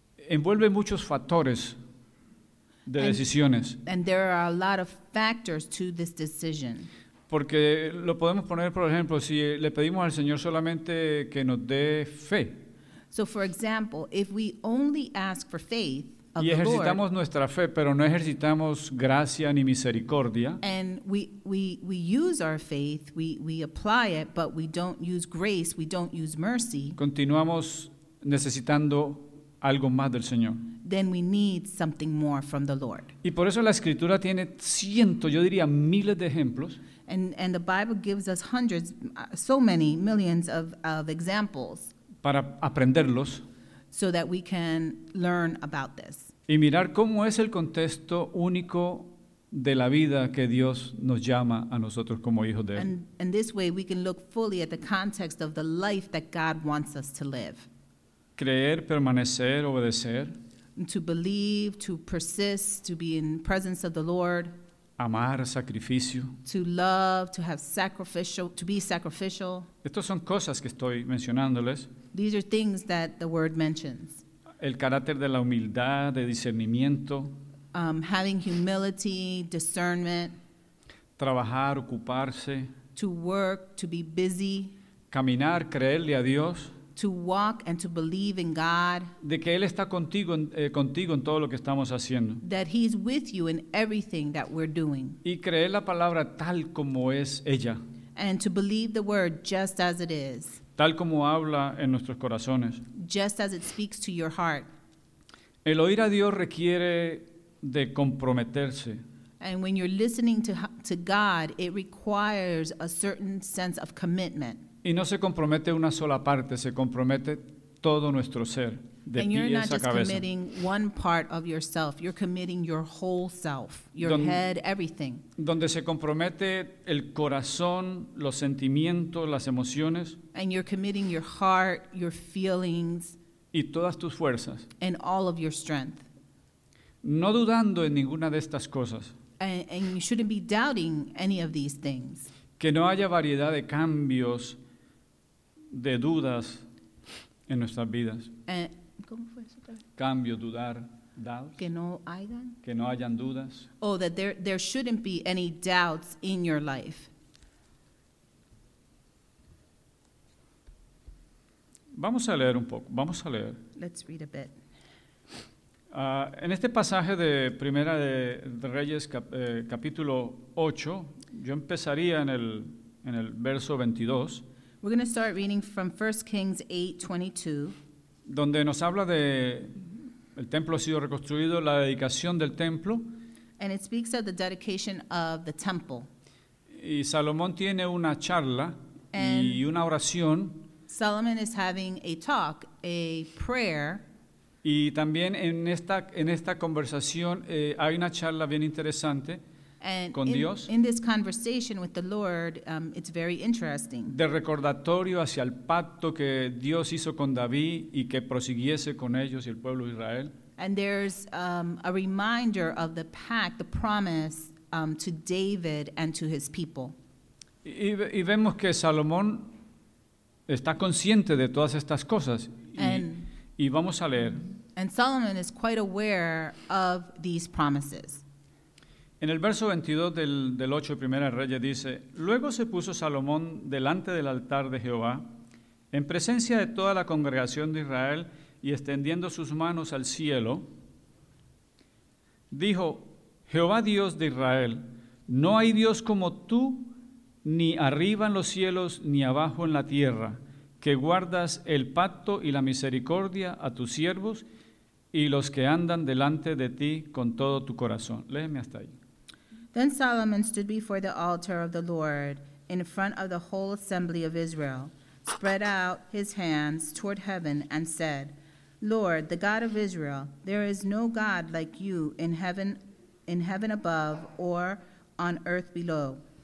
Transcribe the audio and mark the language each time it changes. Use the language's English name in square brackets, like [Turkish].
[Spanish] Envuelve muchos factores de decisiones. [English] And there are a lot of factors to this decision. [Spanish] Porque lo podemos poner, por ejemplo, si le pedimos al Señor solamente que nos dé fe. [English] So for example, if we only ask for faith, [Spanish] y ejercitamos nuestra fe, pero no ejercitamos gracia ni misericordia. [English] And we use our faith, we apply it, but we don't use grace, we don't use mercy. [Spanish] Continuamos necesitando algo más del Señor. [English] Then we need something more from the Lord. [Spanish] Y por eso la Escritura tiene cientos, yo diría miles de ejemplos. [English] And the Bible gives us hundreds, so many, millions of examples. [Spanish] Para aprenderlos. [English] So that we can learn about this. [Spanish] Y mirar cómo es el contexto único de la vida que Dios nos llama a nosotros como hijos de Él. [English] And this way we can look fully at the context of the life that God wants us to live. [Spanish] Creer, permanecer, obedecer. [English] To believe, to persist, to be in presence of the Lord. [Spanish] Amar, sacrificio. [English] To love, to have sacrificial, to be sacrificial. [Spanish] Estas son cosas que estoy mencionándoles. [English] These are things that the word mentions. [Spanish] El carácter de la humildad, de discernimiento. [English] Having humility, discernment. [Spanish] Trabajar, ocuparse. [English] To work, to be busy. [Spanish] Caminar, creerle a Dios. [English] To walk and to believe in God. [Spanish] De que Él está contigo en todo lo que estamos haciendo. [English] That He's with you in everything that we're doing. [Spanish] Y creer la palabra tal como es ella. [English] And to believe the word just as it is. [Spanish] Tal como habla en nuestros corazones. [English] Just as it speaks to your heart. [Spanish] El oír a Dios requiere de comprometerse. [English] And when you're listening to God, it requires a certain sense of commitment. [Spanish] Y no se compromete una sola parte, se compromete todo nuestro ser, de pies a cabeza. [English] And you're not just committing one part of yourself, you're committing your whole self, your head, everything. [Spanish] Donde se compromete el corazón, los sentimientos, las emociones. [English] And you're committing your heart, your feelings. [Spanish] Y todas tus fuerzas. [English] And all of your strength. [Spanish] No dudando en ninguna de estas cosas. [English] And you shouldn't be doubting any of these things. [Spanish] Que no haya variedad de cambios de dudas en nuestras vidas. ¿Cómo fue eso? Cambio, dudar. doubts. Que no hayan dudas. [English] Oh, that there shouldn't be any doubts in your life. [Spanish] Vamos a leer un poco. Vamos a leer. [English] Let's read a bit. [Spanish] En este pasaje de Primera de Reyes, capítulo 8, yo empezaría en el verso 22. [English] We're going to start reading from 1 Kings 8, 22. [Spanish] Donde nos habla de el templo ha sido reconstruido, la dedicación del templo. [English] And it speaks of the dedication of the temple. [Spanish] Y Salomón tiene una charla y una oración. [English] Solomon is having a talk, a prayer. [Spanish] Y también en esta conversación hay una charla bien interesante con Dios. [English] In this conversation with the Lord, it's very interesting. [Spanish] De recordatorio hacia el pacto que Dios hizo con David y que prosiguiese con ellos y el pueblo de Israel. [English] And there's a reminder of the pact, the promise to David and to his people. [Spanish] Y vemos que Salomón está consciente de todas estas cosas y vamos a leer. [English] And Solomon is quite aware of these promises. [Spanish] En el verso 22 del 8 de Primera Reyes dice, luego se puso Salomón delante del altar de Jehová, en presencia de toda la congregación de Israel y extendiendo sus manos al cielo, dijo, Jehová Dios de Israel, no hay Dios como tú, ni arriba en los cielos, ni abajo en la tierra, que guardas el pacto y la misericordia a tus siervos y los que andan delante de ti con todo tu corazón. Léeme hasta ahí. [English] Then Solomon stood before the altar of the Lord in front of the whole assembly of Israel, spread out his hands toward heaven and said, Lord, the God of Israel, there is no God like you in heaven above or on earth below.